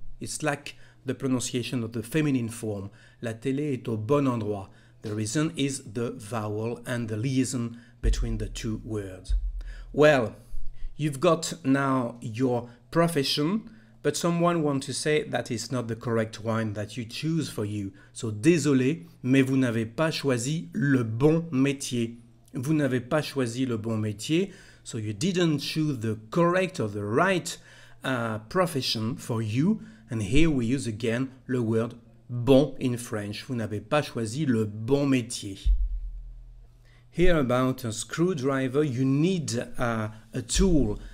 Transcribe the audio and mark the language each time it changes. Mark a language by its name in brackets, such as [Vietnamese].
[English] It's like the pronunciation of the feminine form. [French] La télé est au bon endroit. [English] The reason is the vowel and the liaison between the two words. Well, you've got now your profession, but someone wants to say that it's not the correct one that you choose for you. [French] So, désolé, mais vous n'avez pas choisi le bon métier. Vous n'avez pas choisi le bon métier. [English] So, you didn't choose the correct or the right profession for you. And here we use again the word bon in French. [French] Vous n'avez pas choisi le bon métier. [English] Here about a screwdriver, you need a tool.